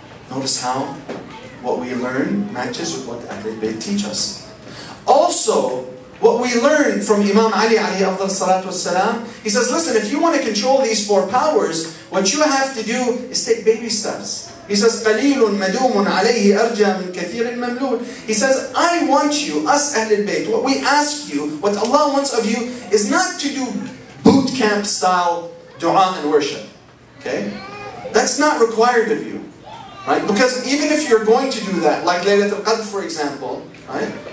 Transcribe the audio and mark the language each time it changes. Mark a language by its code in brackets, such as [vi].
[en] Notice how what we learn matches with what Ahlul Bayt teach us. Also, what we learn from Imam Ali [ar] alayhi afdal salatu wassalam, [en] he says, listen, if you want to control these four powers, what you have to do is take baby steps. He says, [ar] قَلِيلٌ مَدُومٌ عَلَيْهِ أَرْجَى مِنْ كَثِيرٍ مَمْلُونٍ. [en] He says, I want you, us Ahlul Bayt, what we ask you, what Allah wants of you, is not to do boot camp style dua and worship. Okay? That's not required of you. Right? Because even if you're going to do that, like Laylatul Qadr for example, right?